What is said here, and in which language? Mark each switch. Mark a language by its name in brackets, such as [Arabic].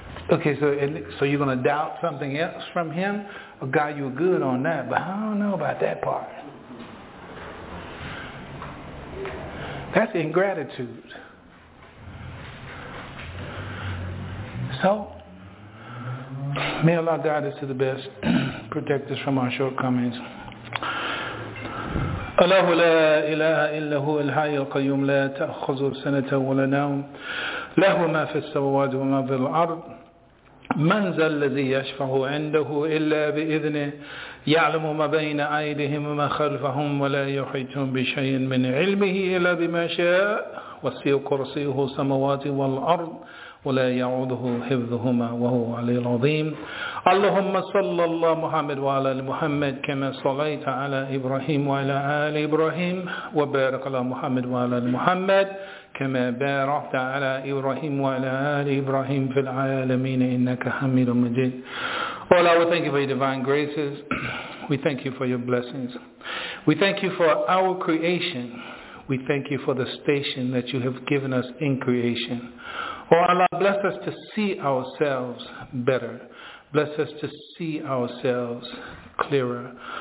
[English] Okay, so you're going to doubt something else from him? Well, God, you're good on that, but I don't know about that part. That's ingratitude. So, may Allah guide us to the best, protect us from our shortcomings. [Arabic] الله لا إله إلا هو الحي القيوم لا تأخذه سنة ولا نوم له ما في السماوات وما في الأرض من ذا الذي يشفع عنده إلا بإذنه يعلم ما بين أيديهم وما خلفهم ولا يحيطون بشيء من علمه إلا بما شاء وسع كرسيه السماوات والأرض ولا يعوده حفظهما وهو العلي العظيم اللهم صل الله محمد وعلى محمد كما صليت على إبراهيم وعلى آل إبراهيم وبارك على محمد وعلى محمد كما باركت على إبراهيم وعلى آل إبراهيم في العالمين إنك حميد مجيد [English] Oh, Lord, we thank you for your divine graces. We thank you for your blessings. We thank you for our creation. We thank you for the station that you have given us in creation. Oh, Allah, bless us to see ourselves better. Bless us to see ourselves clearer.